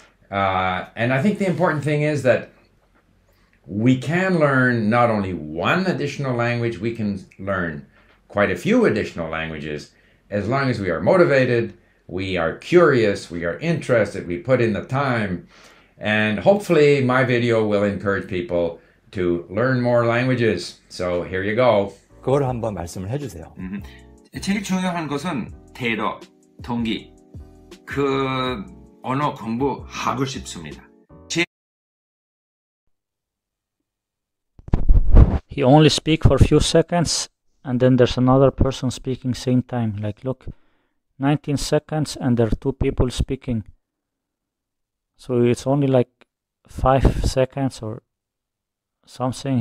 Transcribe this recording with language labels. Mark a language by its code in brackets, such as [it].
[en] And I think the important thing is that we can learn not only one additional language, we can learn quite a few additional languages as long as we are motivated, we are curious, we are interested, we put in the time. And hopefully my video will encourage people to learn more languages. So here you go. [ko] 그걸 한번 말씀을 해주세요. 제일 중요한 것은 대로 동기 그 언어 공부 하고 싶습니다. [en] He only speak for a few seconds, and then there's another person speaking same time. Like, look, 19 seconds, and there are two people speaking. So it's only like 5 seconds or something.